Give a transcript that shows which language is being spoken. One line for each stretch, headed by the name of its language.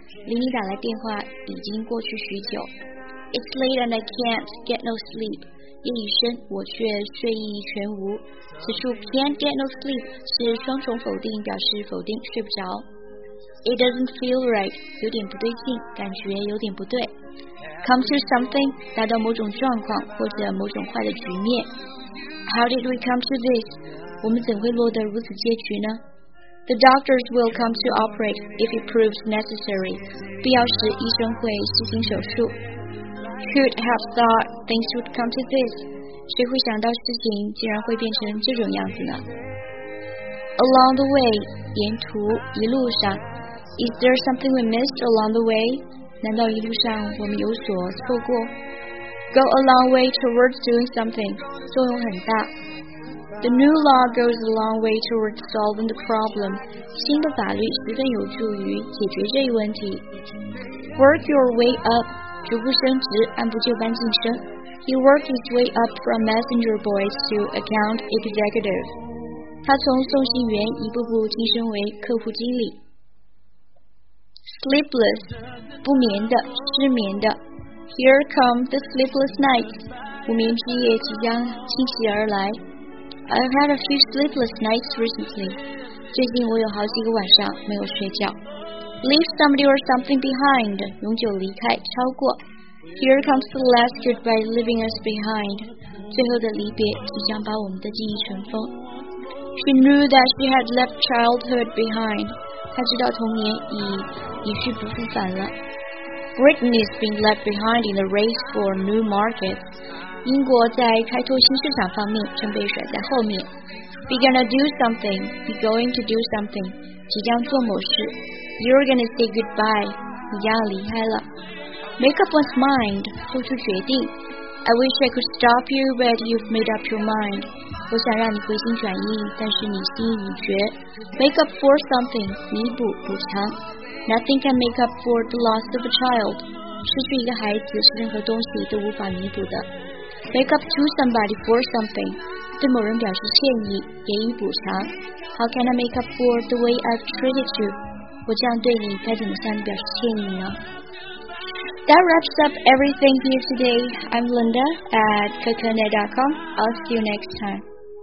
Chinese: 离你打来电话已经过去许久。
English: It's late and I can't get no sleep.
Chinese: 夜已深，我却睡意全无。此处
English: can't get no sleep
Chinese: 是双重否定，表示否定睡不着。
English: It doesn't feel right,
Chinese: 有点不对劲，感觉有点不对。
English: Come to something,
Chinese: 达到某种状况或者某种坏的局面。
English: How did we come to this?
Chinese: 我们怎会落得如此结局呢？
English: The doctors will come to operate if it proves necessary.
Chinese: 必要时医生会施行手术。
English: Could have thought things would come to this.
Chinese: 谁会想到事情竟然会变成这种样子呢？
English: Along the way,
Chinese: 沿途一路上。
English: Is there something we missed along the way?
Chinese: 难道一路上我们有所错过？
English: Go a long way towards doing something.
Chinese: 作用很大。
English: The new law goes a long way towards solving the problem.
Chinese: 新的法律十分有助于解决这一问题。
English: Work your way up.
Chinese: 逐步升职，按部就班晋升。
English: He worked his way up from messenger boy to account executive.
Chinese: 他从送信员一步步晋升为客户经理。
English: Sleepless,
Chinese: 不眠的，失眠的。
English: Here come the sleepless nights.
Chinese: 无眠之夜即将侵袭而来。
English: I've had a few sleepless nights recently.
Chinese: 最近我有好几个晚上没有睡觉。
English: Leave somebody or something behind.
Chinese: 永久离开，超过。
English: Here comes the last goodbye leaving us behind.
Chinese: 最后的离别即将把我们的记忆尘封。
English: She knew that she had left childhood behind.
Chinese: 她知道童年已去不复返了。
English: Britain is being left behind in the race for new markets.
Chinese: 英国在开拓新市场方面正被甩在后面。
English: Be gonna do something. Be going to do something.
Chinese: 即将做某事。
English: You're gonna say goodbye.
Chinese: 你将要离开了。
English: Make up one's mind.
Chinese: 做出决定。
English: I wish I could stop you, but you've made up your mind.
Chinese: 我想让你回心转意，但是你心已决。
English: Make up for something,
Chinese: 弥补补偿。
English: Nothing can make up for the loss of a child.
Chinese: 失去一个孩子是任何东西都无法弥补的。
English: Make up to somebody for something,
Chinese: 对某人表示歉意，给予补偿。
English: How can I make up for the way I've treated you?
Chinese: 我这样对你该怎么向你表示歉意呢？
English: That wraps up everything here today. I'm Linda at kakanet.com. I'll see you next time.